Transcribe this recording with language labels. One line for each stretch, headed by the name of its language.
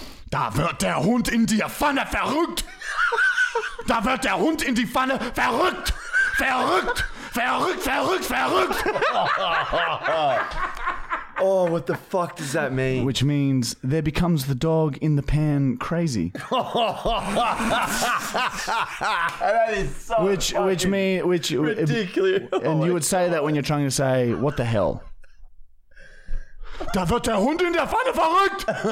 German: Da wird der Hund in die Pfanne verrückt. Da wird der Hund in die Pfanne verrückt. Verrückt. Verrückt, verrückt, verrückt.
English: Oh, what the fuck does that mean? Which means there becomes the dog in the pan crazy. That is so which ridiculous. And you would say that when you're trying to say, what the hell?
German: Da wird der Hund in der Pfanne verrückt.